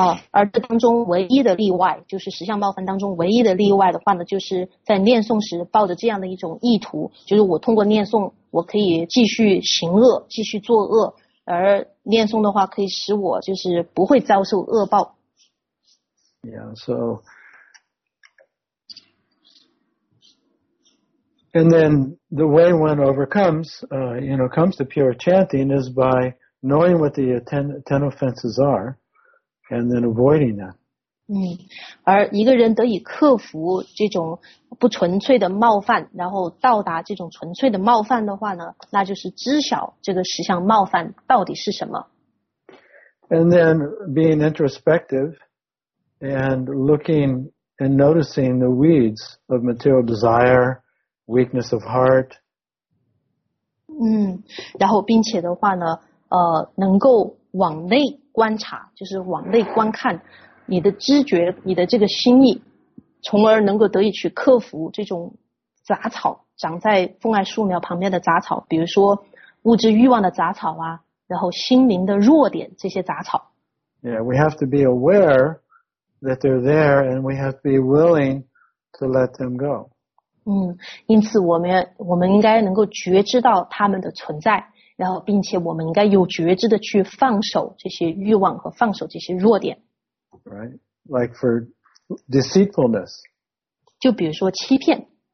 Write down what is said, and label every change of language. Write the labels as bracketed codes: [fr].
[zh] 而这当中唯一的例外，就是十项冒犯当中唯一的例外的话呢，就是在念诵时抱着这样的一种意图，就是我通过念诵，我可以继续行恶，继续作恶。而念诵的话可以使我就是不会遭受恶报。 [en] Yeah, so, and then the way one overcomes, you know, comes to pure chanting is by knowing what the ten offenses are and then avoiding them. [zh] 而一个人得以克服这种不纯粹的冒犯，然后到达这种纯粹的冒犯的话呢，那就是知晓这个十项冒犯到底是什么。 [en] And then being introspective and looking and noticing the weeds of material desire, weakness of heart. [zh] 然后并且的话呢，能够往内观察，就是往内观看。你的知觉，你的这个心意，从而能够得以去克服这种杂草，长在风爱树苗旁边的杂草，比如说物质欲望的杂草啊，然后心灵的弱点这些杂草。 [en] Yeah, we have to be aware that they're there and we have to be willing to let them go. [zh] 因此我们应该能够觉知到他们的存在，然后并且我们应该有觉知的去放手这些欲望和放手这些弱点。 [en] Right, like for deceitfulness. [zh] 就比如说欺骗。